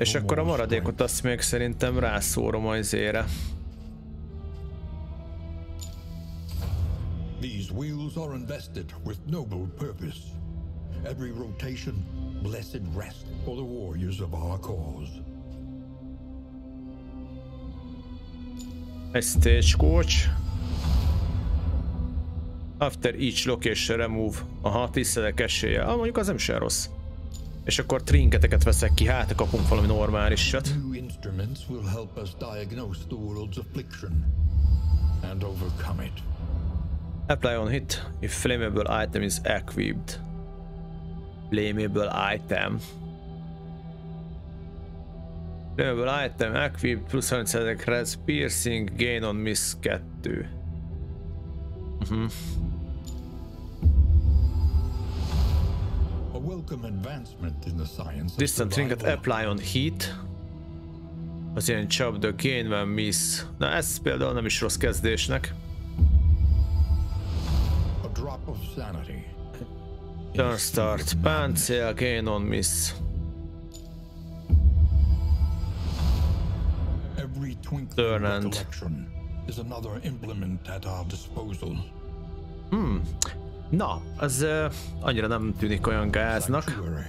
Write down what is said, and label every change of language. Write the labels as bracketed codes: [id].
[hu] És akkor a maradékot azt még szerintem rászórom a izére. [en] These wheels are invested with noble purpose. Every rotation, blessed rest for the warriors of our cause. A stagecoach. After each location remove a 6-10 [hu] esélye. Ah, mondjuk az nem sem rossz. És akkor trinketeket veszek ki, hát kapunk valami normálisat. [en] New instruments will help us diagnose the world's affliction and overcome it. Apply on hit if flammable item is equipped. Flammable item. Flammable item equipped plus 30% res piercing gain on miss 2. A welcome advancement in the science. Distant trinket apply on hit. [hu] Az ilyen csapda gain van miss. Na ez például nem is rossz kezdésnek. [en] Drop of sanity. Turn start. Páncél gain on miss. Every twinkle of recollection is another implement at our disposal. [hu] Na, ez annyira nem tűnik olyan gáznak.